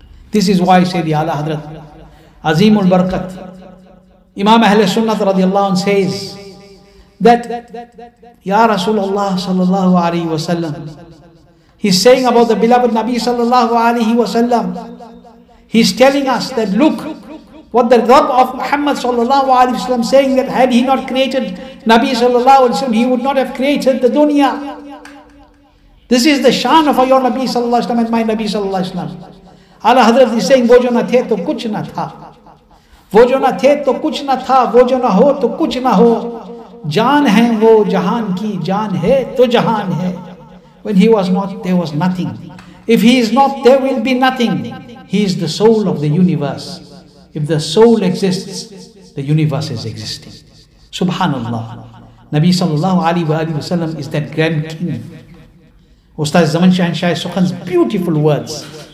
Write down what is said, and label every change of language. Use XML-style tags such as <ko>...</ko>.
<en>This is why Sayyidi Ala Hadrat Azimul Barakat, Imam Ahl Sunnah radiallahu anhu, says that, Ya Rasulullah sallallahu alayhi wa sallam, he's saying about the beloved Nabi sallallahu alayhi wa sallam, he's telling us that look what the Rabb of Muhammad sallallahu alayhi wa sallam saying, that had he not created Nabi sallallahu alayhi wa sallam, he would not have created the dunya. This is the shan of your Nabi sallallahu alayhi wa sallam and my Nabi sallallahu alayhi wa sallam. Allah Hazrat is saying,</en> <ur>وہ جو نہ تھے تو کچھ نہ تھا وہ جو نہ تھے تو کچھ نہ تھا وہ جو نہ ہو تو کچھ نہ ہو جان ہیں وہ جہان کی جان ہے تو جہان ہے.</ur> <en>When he was not, there was nothing. If he is not, there will be nothing. He is the soul of the universe. If the soul exists, the universe is existing. Subhanallah. Nabi sallallahu alayhi wa sallam is that grand king. Ustaz Zaman Shah and Shah Sukhan's beautiful words.</en>